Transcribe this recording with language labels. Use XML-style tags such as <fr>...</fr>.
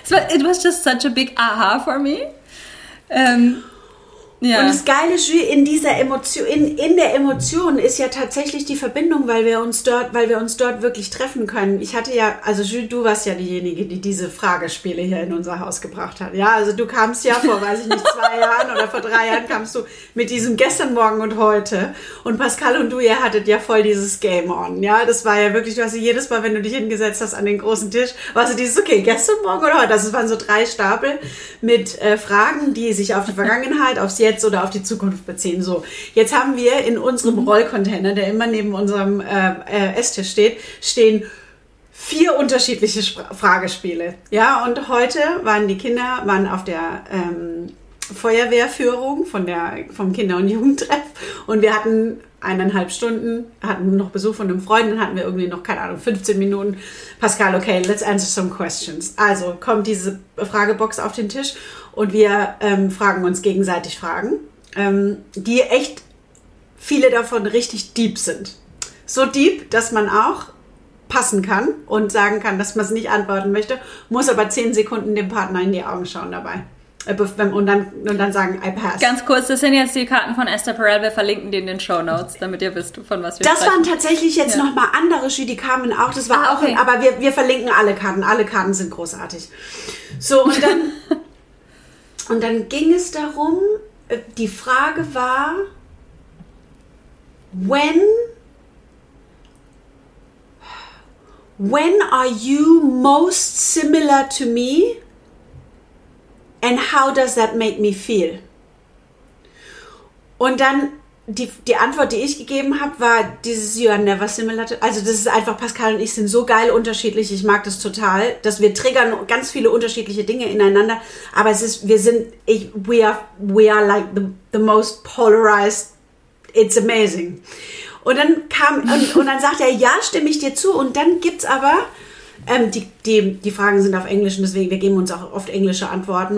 <en>It was just such a big aha for me.</en> <de>Ja. Und das Geile ist, in dieser Emotion, in der Emotion ist ja tatsächlich die Verbindung, weil wir uns dort wirklich treffen können. Ich hatte ja, also Jules, du warst ja diejenige, die diese Fragespiele hier in unser Haus gebracht hat. Ja, also du kamst ja vor, weiß ich nicht, 2 Jahren oder vor 3 Jahren kamst du mit diesem gestern, morgen und heute. Und Pascal und du, ihr hattet ja voll dieses Game on. Ja, das war ja wirklich, du hast jedes Mal, wenn du dich hingesetzt hast an den großen Tisch, warst du dieses, okay, gestern, morgen und heute. Also es waren so 3 Stapel mit Fragen, die sich auf die Vergangenheit, aufs Jetzt oder auf die Zukunft beziehen. So, jetzt haben wir in unserem Rollcontainer, der immer neben unserem Esstisch steht, stehen 4 unterschiedliche Fragespiele. Ja, und heute waren die Kinder auf der Feuerwehrführung vom Kinder- und Jugendtreff und wir hatten 1,5 Stunden, hatten noch Besuch von einem Freund, dann hatten wir irgendwie noch, keine Ahnung, 15 Minuten.</de> <en>Pascal, okay, let's answer some questions.</en> <de>Also kommt diese Fragebox auf den Tisch und wir fragen uns gegenseitig Fragen, die echt viele davon richtig deep sind. So deep, dass man auch passen kann und sagen kann, dass man es nicht antworten möchte, muss aber 10 Sekunden dem Partner in die Augen schauen dabei. Und dann sagen,</de> <en>I pass.</en> <de>Ganz kurz, das sind jetzt die Karten von Esther Perel. Wir verlinken die in den Shownotes, damit ihr wisst, von was wir das sprechen. Das waren tatsächlich jetzt nochmal andere Schüler, die kamen auch. Das war auch. Okay. Aber wir verlinken alle Karten. Alle Karten sind großartig. So, und dann ging es darum, die Frage war,</de> <en>when are you most similar to me? And how does that make me feel?</en> <de>Und dann die Antwort, die ich gegeben habe, war dieses</de> <en>You are never similar to...</en> <de>Also das ist einfach, Pascal und ich sind so geil unterschiedlich. Ich mag das total, dass wir triggern ganz viele unterschiedliche Dinge ineinander. Aber</de> <en>we are like the most polarized. It's amazing.</en> <de>Und dann kam und dann sagt er, ja, stimme ich dir zu. Und dann gibt's aber... Die Fragen sind auf Englisch und deswegen, wir geben uns auch oft englische Antworten.</de>